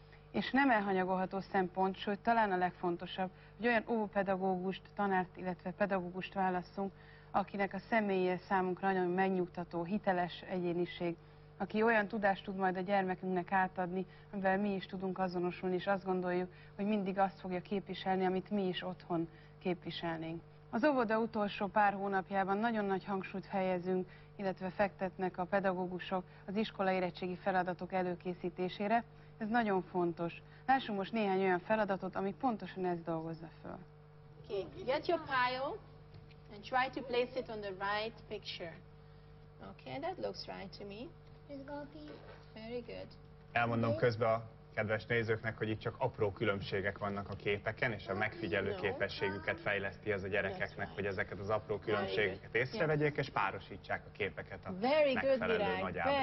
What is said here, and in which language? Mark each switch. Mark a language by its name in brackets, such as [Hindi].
[Hungarian] És nem elhanyagolható szempont, sőt talán a legfontosabb, hogy olyan óvodapedagógust, tanárt, illetve pedagógust válasszunk, akinek a személye számunkra nagyon megnyugtató, hiteles egyéniség, aki olyan tudást tud majd a gyermekünknek átadni, amivel mi is tudunk azonosulni, és azt gondoljuk, hogy mindig azt fogja képviselni, amit mi is otthon képviselnénk. Az óvoda utolsó pár hónapjában nagyon nagy hangsúlyt helyezünk, illetve fektetnek a pedagógusok az iskola érettségi feladatok előkészítésére. Ez nagyon fontos. Lássunk most néhány olyan feladatot, ami pontosan ezt dolgozza föl. [English] Okay. Get your pile and try to place it on the right picture. Okay, that looks right to me. [Hungarian] Elmondom közben a kedves nézőknek, hogy itt csak apró különbségek vannak a képeken, és a megfigyelő képességüket fejleszti az a gyerekeknek, hogy ezeket az apró különbségeket észrevegyék, és párosítsák a képeket a megfelelő nagy ábrával.